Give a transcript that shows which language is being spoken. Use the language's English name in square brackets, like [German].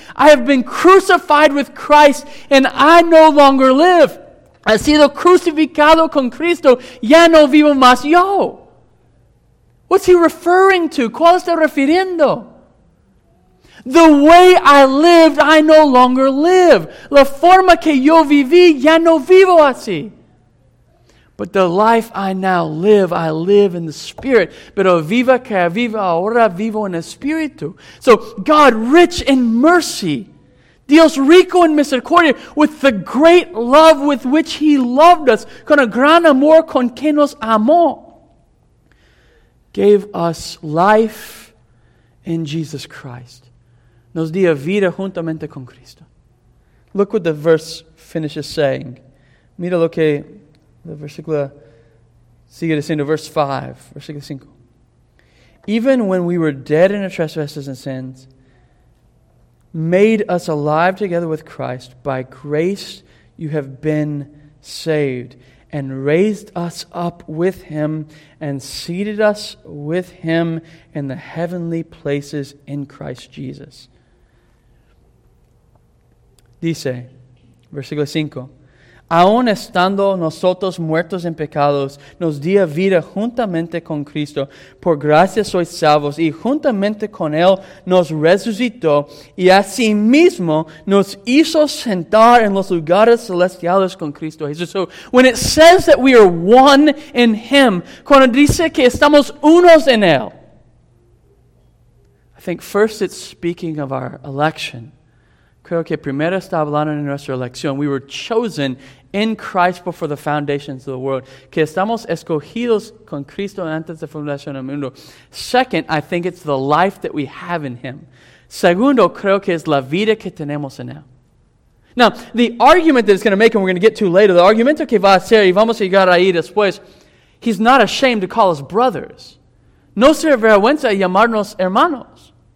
[English] I have been crucified with Christ and I no longer live. [Spanish] He sido crucificado con Cristo. Ya no vivo más yo. [English] What's he referring to? [Spanish] ¿Cuál está refiriendo? [English] The way I lived, I no longer live. [Spanish] La forma que yo viví, ya no vivo así. [English] But the life I now live, I live in the Spirit. [Spanish] Pero viva que viva ahora, vivo en Espíritu. [English] So God, rich in mercy, [Spanish] Dios rico en misericordia, [English] with the great love with which He loved us, [Spanish] con el gran amor con que nos amó, [English] gave us life in Jesus Christ. [Spanish] Nos dio vida juntamente con Cristo. [English] Look what the verse finishes saying. [Spanish] Mira lo que the versículo sigue diciendo, verse 5, versículo 5. [English] Even when we were dead in our trespasses and sins, made us alive together with Christ, by grace you have been saved, and raised us up with Him, and seated us with Him in the heavenly places in Christ Jesus. [Spanish] Dice, versículo 5, aun estando nosotros muertos en pecados, nos dio vida juntamente con Cristo. Por gracia sois salvos, y juntamente con Él nos resucitó, y asimismo nos hizo sentar en los lugares celestiales con Cristo Jesús. [English] So, when it says that we are one in Him, [Spanish] cuando dice que estamos unos en Él, [English] I think first it's speaking of our election. [Spanish] Creo que primero está hablando en nuestra elección. [English] We were chosen in Christ before the foundations of the world. [Spanish] Que estamos escogidos con Cristo antes de fundación del mundo. [English] Second, I think it's the life that we have in Him. [Spanish] Segundo, creo que es la vida que tenemos en Él. [English] Now, the argument that it's going to make, and we're going to get to later, the [Spanish] argumento que va a hacer, y vamos a llegar ahí después, [English] He's not ashamed to call us brothers. [Spanish] No se avergüenza llamarnos hermanos.